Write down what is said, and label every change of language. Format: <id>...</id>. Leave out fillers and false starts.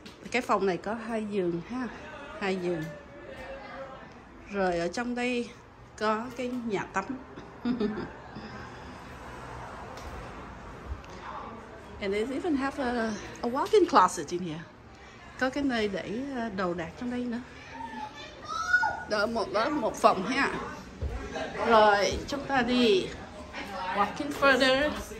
<vi>Cái phòng này có hai giường ha, hai giường. Rồi ở trong đây có cái nhà tắm.</vi> <en>And they even have a walk-in closet in here.</en> <vi>Có cái nơi để đồ đạc trong đây nữa. Đó một phòng ha. Rồi chúng ta đi</vi> <en>walking further.</en>